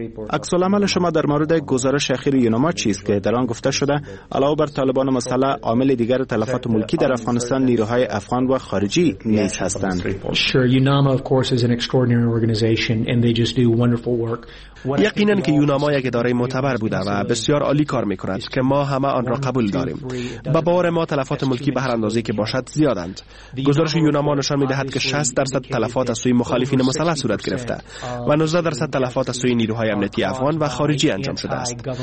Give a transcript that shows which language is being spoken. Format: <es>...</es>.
<fa>عکس العمل شما در مورد گزارش اخیر یونما چیست که در آن گفته شده علاوه بر طالبان مسلح عامل دیگر تلفات ملکی در افغانستان نیروهای افغان و خارجی نیز هستند؟</fa> <en>یونما of course is an extraordinary organization and they just do wonderful work.</en> <fa>یقینا که یونما یک اداره معتبر بوده و بسیار عالی کار میکند که ما همه آن را قبول داریم. به باور ما تلفات ملکی به هر اندازه‌ای که باشد زیادند. گزارش یونما نشان میدهد که 60% تلفات از سوی مخالفین مسلح صورت گرفته و 19% تلفات از سوی نیروهای امنیتی افغان و خارجی انجام شده است.</fa>